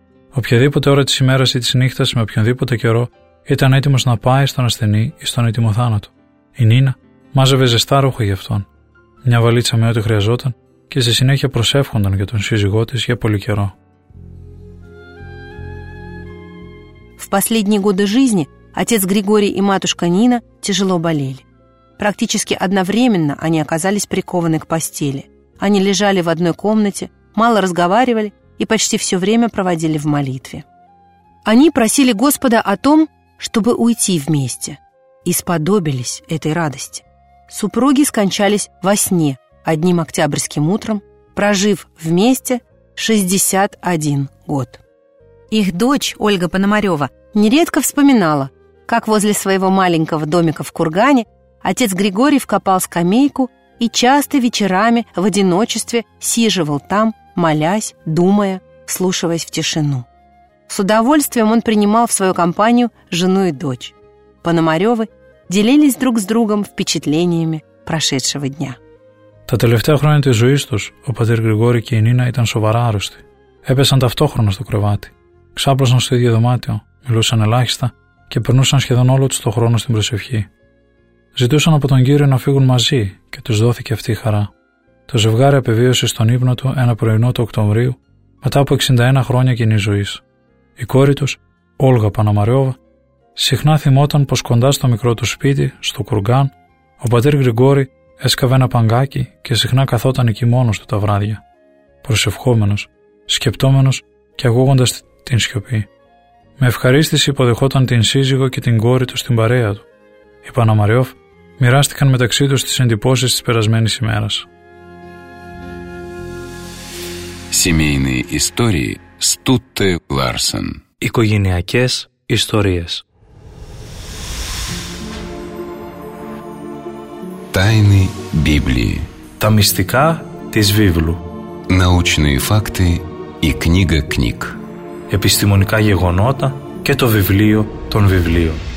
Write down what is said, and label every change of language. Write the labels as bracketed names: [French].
[Greek] Οποιαδήποτε ώρα της ημέρας ή της νύχτας, με οποιονδήποτε καιρό, ήταν έτοιμος να πάει στον ασθενή ή στον έτοιμο θάνατο. Η Νίνα μάζευε ζεστά ρούχα για αυτόν. Μια βαλίτσα με ό,τι χρειαζόταν και στη συνέχεια προσεύχονταν για τον σύζυγό της για πολύ καιρό. [Russian] В последние годы жизни отец Григорий и матушка Нина тяжело болели. Практически одновременно они оказались прикованы к постели. Они лежали в одной комнате, мало разговаривали и почти все время проводили в молитве. Они просили Господа о том, чтобы уйти вместе, и сподобились этой радости. Супруги скончались во сне одним октябрьским утром, прожив вместе 61 год. Их дочь Ольга Пономарева нередко вспоминала, как возле своего маленького домика в кургане отец Григорий вкопал скамейку и часто вечерами в одиночестве сиживал там, молясь, думая, вслушиваясь в тишину. С удовольствием он принимал в свою компанию жену и дочь. Пономаревы делились друг с другом впечатлениями прошедшего дня. [Greek] Та тελευταία хроня της ζωής τους, ο πατήρ Γρηγόρη και η Νίνα ήταν σοβαρά άρρωστοι. Έπεσαν ταυτόχρονα στο κρεβάτι. Ξάπλωσαν στο ίδιο δωμάτιο, μιλούσαν ελάχιστα και περνούσαν σχεδόν όλο τους το χρόνο στην προσευχή. Ζητούσαν από τον Κύριο να φύγουν μαζί και τους δόθηκε αυτή η χαρά. Το ζευγάρι επιβίωσε στον ύπνο του ένα πρωινό του Οκτωβρίου, μετά από 61 χρόνια κοινής ζωής. Η κόρη τους, Όλγα Πανομαριώβα, συχνά θυμόταν πως κοντά στο μικρό του σπίτι, στο κουργκάν, ο πατήρ Γρηγόρη έσκαβε ένα παγκάκι και συχνά καθόταν εκεί μόνος του τα βράδια, προσευχόμενος, σκεπτόμενος και αγώγοντας την σιωπή. Με ευχαρίστηση υποδεχόταν την σύζυγο και την κόρη του στην παρέα του. Οι Πανομαριώβ μοιράστηκαν μεταξύ τους τις εντυπώσεις της περασμένης ημέρας. [Russian] Семейные истории Стутте Ларсен. [Greek] Οικογενειακές ιστορίες. [Russian] Тайны Библии. [Greek] Τα μυστικά της Βίβλου. [Russian] Научные факты и книга книг. [Greek] Επιστημονικά γεγονότα και το βιβλίο των βιβλίων.